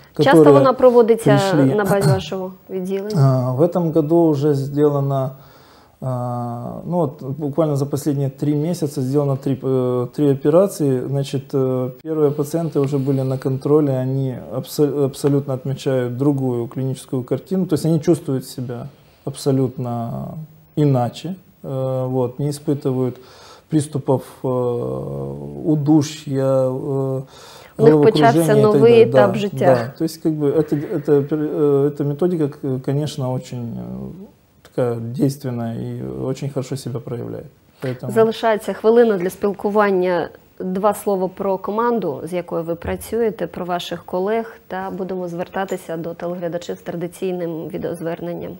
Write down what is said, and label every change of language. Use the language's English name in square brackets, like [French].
[Ukrainian] часто вона проводиться пришли на базі вашого відділення? [Russian] В этом году уже сделано, ну вот буквально за последние 3 месяца сделано 3 операции. Значит, первые пациенты уже были на контроле, они абсолютно отмечают другую клиническую картину. То есть они чувствуют себя абсолютно иначе. Вот, не испытывают приступов удушья. [Ukrainian] У них почався новий етап життя. [Russian] Да. То есть, как бы, эта методика, конечно, очень такая действенная и очень хорошо себя проявляет. Поэтому... [Ukrainian] Залишається хвилина для спілкування. Два слова про команду, з якою ви працюєте, про ваших колег, та будемо звертатися до телеглядачів з традиційним відеозверненням.